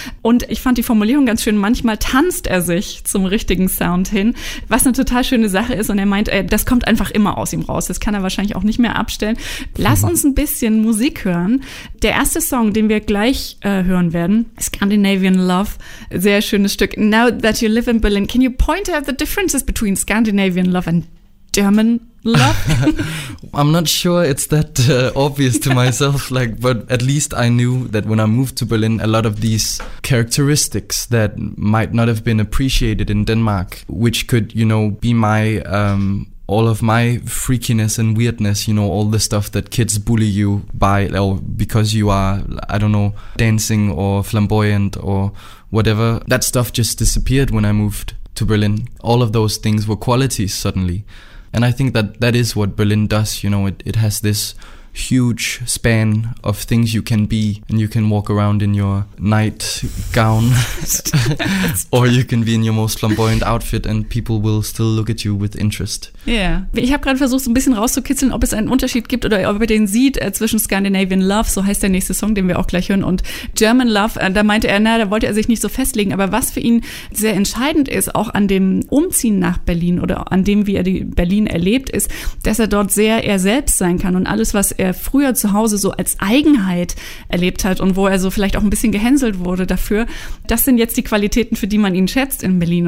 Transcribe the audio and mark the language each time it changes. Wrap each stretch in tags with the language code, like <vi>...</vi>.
<de>Und ich fand die Formulierung ganz schön, manchmal tanzt er sich zum richtigen Sound hin, was eine total schöne Sache ist. Und er meint, das kommt einfach immer aus ihm raus. Das kann er wahrscheinlich auch nicht mehr abstellen. Lass uns ein bisschen Musik hören. Der erste Song, den wir gleich hören werden, Scandinavian Love. Sehr schönes Stück.</de> <en>Now that you live in Berlin, can you point out the differences between Scandinavian Love and German love? I'm not sure it's that obvious to myself, like, but at least I knew that when I moved to Berlin, a lot of these characteristics that might not have been appreciated in Denmark, which could, you know, be my all of my freakiness and weirdness, you know, all the stuff that kids bully you by, or because you are, I don't know, dancing or flamboyant or whatever, that stuff just disappeared when I moved to Berlin. All of those things were qualities suddenly. And I think that that is what Berlin does, you know, it has this huge span of things you can be, and you can walk around in your nightgown or you can be in your most flamboyant outfit and people will still look at you with interest. Ja, yeah.</en> <de>Ich habe gerade versucht, so ein bisschen rauszukitzeln, ob es einen Unterschied gibt oder ob er den sieht zwischen Scandinavian Love, so heißt der nächste Song, den wir auch gleich hören, und German Love. Da meinte er, na, da wollte er sich nicht so festlegen. Aber was für ihn sehr entscheidend ist, auch an dem Umziehen nach Berlin oder an dem, wie er die Berlin erlebt, ist, dass er dort sehr er selbst sein kann und alles, was er früher zu Hause so als Eigenheit erlebt hat und wo er so vielleicht auch ein bisschen gehänselt wurde dafür, das sind jetzt die Qualitäten, für die man ihn schätzt in Berlin.</de>